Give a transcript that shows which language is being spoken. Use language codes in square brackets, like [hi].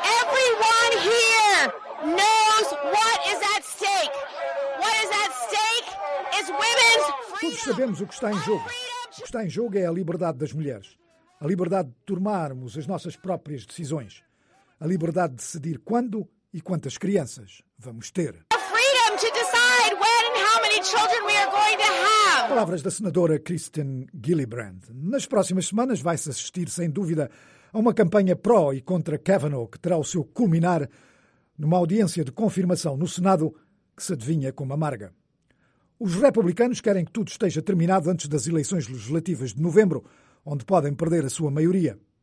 [en] Everyone here knows what is at stake. What is at stake is women's freedom. [pt] Todos sabemos o que está em jogo. O que está em jogo é a liberdade das mulheres. A liberdade de tomarmos as nossas próprias decisões. A liberdade de decidir quando e quantas crianças vamos ter. [en] A freedom to decide when and how many children we are going to have. [pt] Palavras da senadora Kristen Gillibrand. Nas próximas semanas vai-se assistir, sem dúvida, a uma campanha pró e contra Kavanaugh, que terá o seu culminar numa audiência de confirmação no Senado que se adivinha como amarga. Os republicanos querem que tudo esteja terminado antes das eleições legislativas de novembro, onde podem perder a sua maioria.